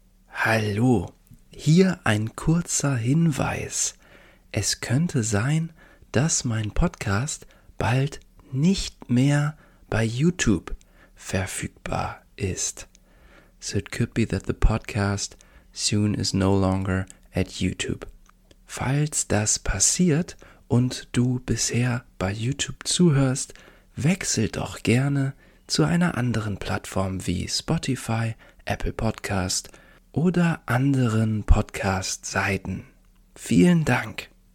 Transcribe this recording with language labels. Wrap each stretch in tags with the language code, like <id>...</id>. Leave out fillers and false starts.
<de>Hallo, hier ein kurzer Hinweis. Es könnte sein, dass mein Podcast bald nicht mehr bei YouTube verfügbar ist.</de> <en>So it could be that the podcast soon is no longer at YouTube.</en> <de>Falls das passiert und du bisher bei YouTube zuhörst, wechsel doch gerne zu einer anderen Plattform wie Spotify, Apple Podcast oder anderen Podcast-Seiten. Vielen Dank.</de>